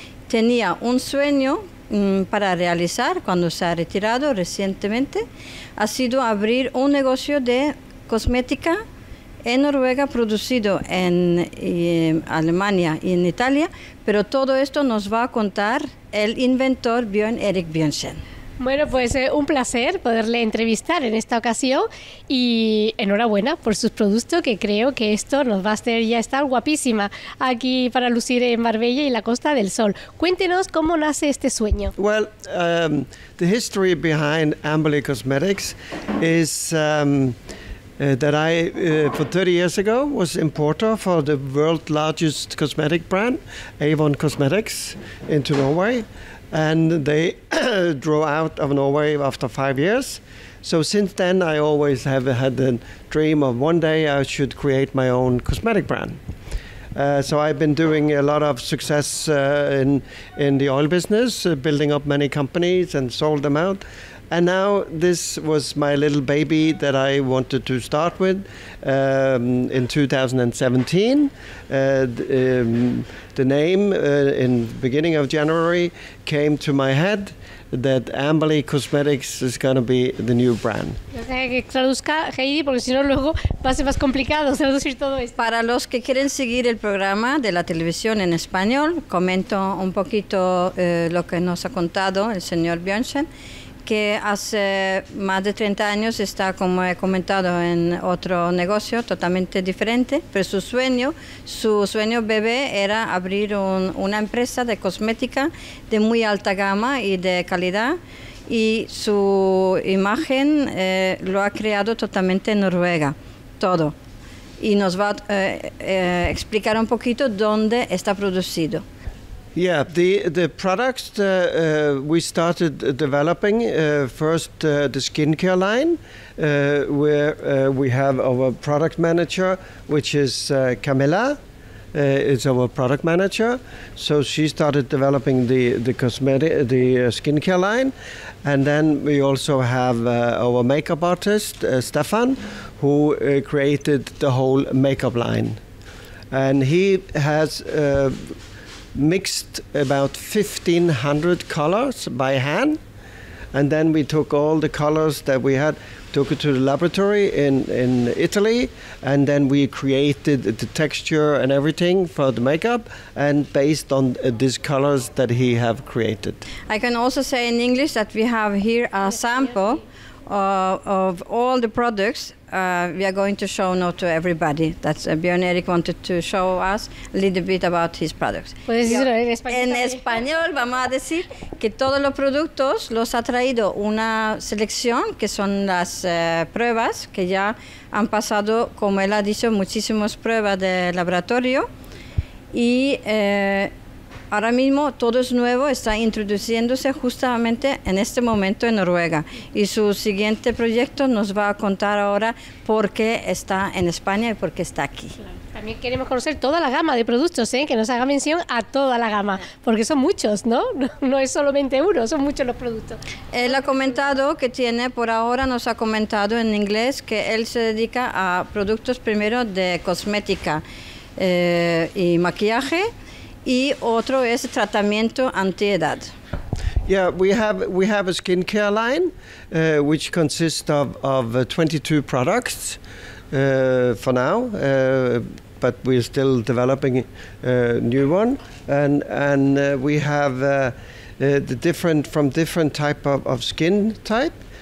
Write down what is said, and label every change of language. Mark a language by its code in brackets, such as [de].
[es] Tenía un sueño para realizar cuando se ha retirado recientemente, ha sido abrir un negocio de cosmética en Noruega, producido en Alemania y en Italia, pero todo esto nos va a contar el inventor Bjørn Erik Bjørnsen. Bueno, pues un placer poderle entrevistar en esta ocasión y enhorabuena por sus productos, que creo que esto nos va a hacer ya estar guapísima aquí para lucir en Marbella y la Costa del Sol. Cuéntenos cómo nace este sueño. [en] Well, the history behind Amberley Cosmetics is that I, for 30 years ago, was importer for the world's largest cosmetic brand, Avon Cosmetics, into Norway. And they drove out of Norway after 5 years. So since then, I always have had the dream of one day I should create my own cosmetic brand. So I've been doing a lot of success in the oil business, building up many companies and sold them out. And now this was my little baby that I wanted to start with in 2017. The name in beginning of January came to my head that Amberley Cosmetics is going to be the new brand. [es] Traduzca, Heidi, porque si no luego va a ser más complicado traducir todo esto. Para los que quieren seguir el programa de la televisión en español, comento un poquito lo que nos ha contado el señor Bjørnsen, que hace más de 30 años está, como he comentado, en otro negocio totalmente diferente, pero su sueño bebé era abrir una empresa de cosmética de muy alta gama y de calidad, y su imagen lo ha creado totalmente en Noruega, todo. Y nos va a explicar un poquito dónde está producido. [en] Yeah, the products we started developing, first the skincare line, where we have our product manager, which is Camilla, is our product manager. So she started developing the skincare line. And then we also have our makeup artist, Stefan, who created the whole makeup line. And he has mixed about 1500 colors by hand, and then we took all the colors that we had, took it to the laboratory in Italy, and then we created the texture and everything for the makeup, and based on these colors that he have created. I can also say in English that we have here a sample of all the products we are going to show now to everybody. That's Bjørn Erik wanted to show us a little bit about his products. [es] ¿Puedes decirlo en español? En español vamos a decir que todos los productos los ha traído una selección, que son las pruebas que ya han pasado, como él ha dicho, muchísimas pruebas de laboratorio, y ahora mismo todo es nuevo, está introduciéndose justamente en este momento en Noruega. Y su siguiente proyecto nos va a contar ahora por qué está en España y por qué está aquí. También queremos conocer toda la gama de productos, ¿eh? Que nos haga mención a toda la gama, porque son muchos, ¿no? No es solamente uno, son muchos los productos. Él ha comentado que tiene, por ahora nos ha comentado en inglés, que él se dedica a productos primero de cosmética y maquillaje, y otro es tratamiento antiedad. [en] Yeah, we have a skincare line which consists of 22 products for now, but we're still developing a new one, and we have the different from different type of skin type.